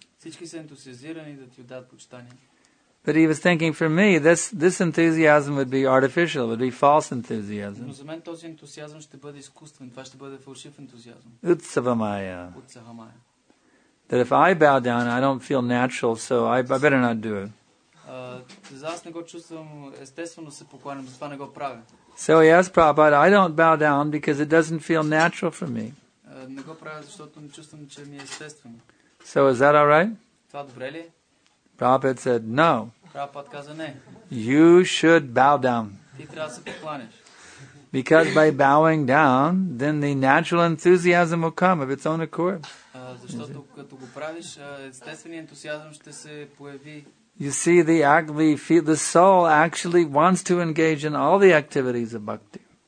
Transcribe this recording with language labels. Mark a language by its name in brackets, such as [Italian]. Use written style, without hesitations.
[Bulgarian] Всички са ентусиазирани да ти дадат почитания. [English] But he was thinking, for me, this enthusiasm would be artificial, would be false enthusiasm. [Bulgarian] Но за мен този ентусиазъм ще бъде изкуствен, това ще бъде фалшив ентусиазъм. [Sanskrit] Utsavamaya. Utsavamaya. [English] That if I bow down, I don't feel natural, so I better not do it. [Bulgarian] За аз не го чувствам естествено, се покланям, затова не го правя. [English] So he asked Prabhupada, I don't bow down because it doesn't feel natural for me. [Bulgarian] Не го правя, защото не чувствам, че ми е естествено. [English] So is that all right? [Bulgarian] Това добре ли? [English] Prabhupada said, no. [Bulgarian] Prabhupada каза, не. [English] You should bow down. [Bulgarian] Ти трябва да се покланеш. [English] Because by bowing down, then the natural enthusiasm will come of its own accord. [Bulgarian] Защото като го правиш, естественият ентусиазъм ще се появи. [English] You see, the soul actually wants to engage in all the activities of bhakti.